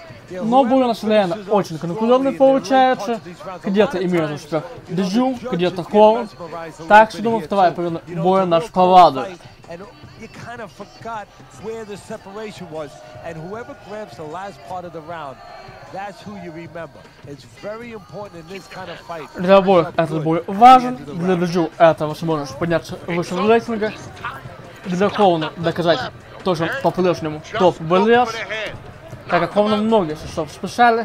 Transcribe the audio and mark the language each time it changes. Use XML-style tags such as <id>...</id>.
<ru>Но бой у нас, наверное, очень конкурентный получается. Где-то имеет успех Джо, где-то Хоун. Так что, думаю, вторая половина боя наш повадует.</ru> <en>You kind of forgot where the separation was, and whoever grabs the last part of the round, that's who you remember. It's very important in this kind of fight.</en> <ru>Для обоих этот бой важен. Для Джо это возможность подняться выше в рейтинге. Для Хоуна доказать то, что по-прежнему топ боец. Так как Хоуна многие сейчас спешали.</ru>